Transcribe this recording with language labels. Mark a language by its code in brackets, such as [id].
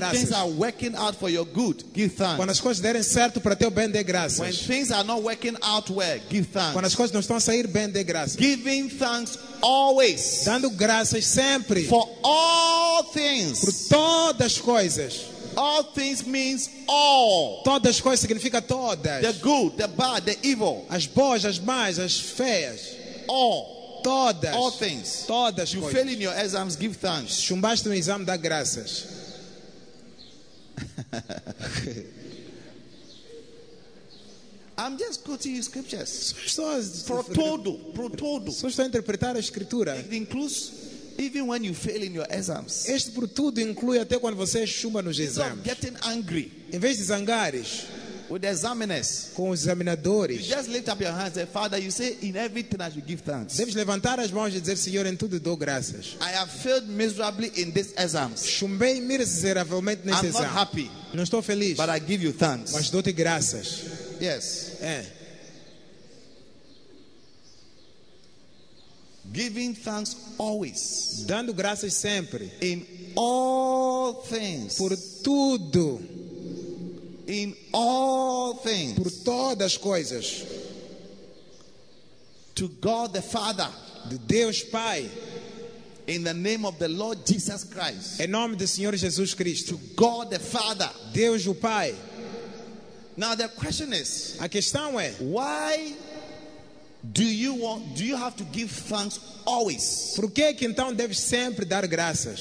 [en] When things are working out for your good, give thanks. [pt] Quando as coisas derem certo para teu bem, dê graças. [en] When things are not working out well, give thanks. [pt] Quando as coisas não estão a sair bem, dê graças. [en] Giving thanks always. [pt] Dando graças sempre. [en] For all things. [pt] Por todas as coisas. [en] All things means all. [pt] Todas as coisas significa todas. [en] The good, the bad, the evil. [pt] As boas, as más, as feias. [en] All. [pt] todas, [en] all things. [pt] Todas [en] you [pt] coisas. [en] Fail in your exams, give thanks. [pt] Chumbaste no exame, dá graças. [en] I'm just quoting you scriptures. [pt] Pro todo. Só estou a interpretar a escritura. [en] It includes even when you fail in your exams. [pt] Este pro todo inclui até quando você chumba nos exames. [en] Getting angry. [pt] Em vez de zangares. [en] With the examiners. [pt] Com os examinadores. [en] You just lift up your hands and say, Father, you say in everything I should give thanks. [pt] Deves levantar as mãos e dizer, Senhor, em tudo dou graças. [en] I have failed miserably in this exams. [pt] Chumbei miseravelmente neste exame. [en] I'm not happy. [pt] Não estou feliz. [en] But I give you thanks. [pt] Mas dou-te graças. [en] Yes. [pt] É. [en] Giving thanks always. [pt] Dando graças sempre. [en] In all things. [pt] Por tudo. [en] In all things. [pt] Por todas as coisas. [en] To God the Father. [pt] De Deus Pai. [en] In the name of the Lord Jesus Christ. [pt] Em nome do Senhor Jesus Cristo. [en] To God the Father. [pt] Deus o Pai. [en] Now the question is, [pt] a questão é, [en] why do you have to give thanks always? [pt] Por que é que então deve sempre dar graças?